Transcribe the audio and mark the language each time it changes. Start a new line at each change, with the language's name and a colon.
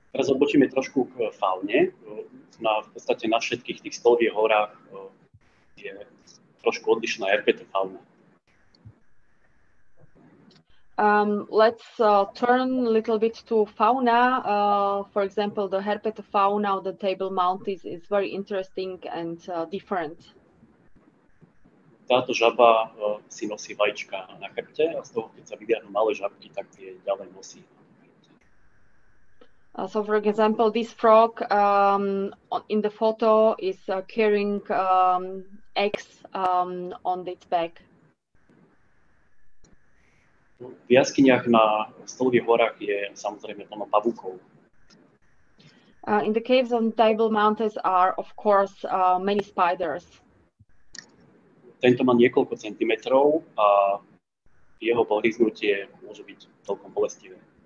Slovak: Teraz odbočíme trošku k faune. V podstate na všetkých tých stolových horách je trošku odlišná herpetofauna.
English: Let's turn a little bit to fauna. For example, the herpetofauna of the Table Mountains is very interesting and different.
Slovak: Táto žaba si nosí vajíčka na chrbte a z toho, keď sa vyviarnú malé žabky, tak tie ďalej nosí.
English: So for example, this frog in the photo is carrying eggs on its back.
Slovak: V jaskyniach na Stolových horách je samozrejme plno pavúkov.
English: In the caves on Table Mountains are of course many spiders.
Slovak: Tento má niekoľko centimetrov a jeho pohryznutie môže byť celkom bolestivé.